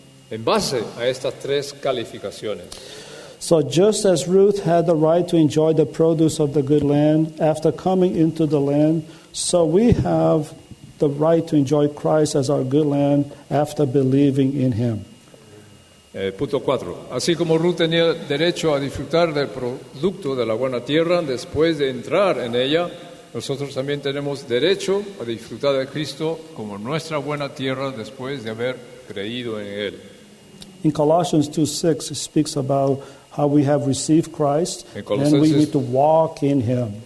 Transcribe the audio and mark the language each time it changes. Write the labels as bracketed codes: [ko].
[es] En base a estas tres calificaciones. [en] So just as Ruth had the right to enjoy the produce of the good land after coming into the land, so we have the right to enjoy Christ as our good land after believing in him. [es] Punto 4. Así como Ruth tenía derecho a disfrutar del producto de la buena tierra después de entrar en ella, nosotros también tenemos derecho a disfrutar de Cristo como nuestra buena tierra después de haber creído en él. [en] In Colossians 2:6 it speaks about how we have received Christ and we need to walk in him.